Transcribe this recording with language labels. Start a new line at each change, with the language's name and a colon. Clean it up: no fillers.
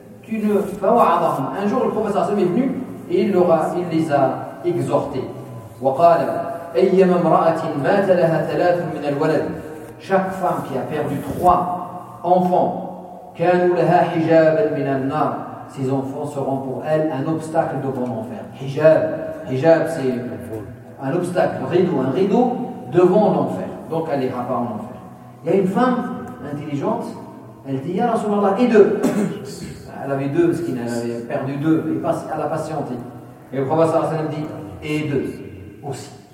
French: Un jour, le professeur est venu et il les a exhortés. Chaque femme qui a perdu trois enfants,
Arabic: كانوا لها حجابا من النار.
French: Ces enfants seront pour elle un obstacle devant l'enfer. Hijab, hijab, c'est un obstacle, un rideau devant l'enfer. Donc elle ira pas en enfer. Il y a une femme intelligente, elle dit, Ya Rasulallah, et deux. Elle avait deux parce qu'elle avait perdu deux. Elle a patienté. Et le prophète sallallahu alayhi wa sallam dit, et deux aussi.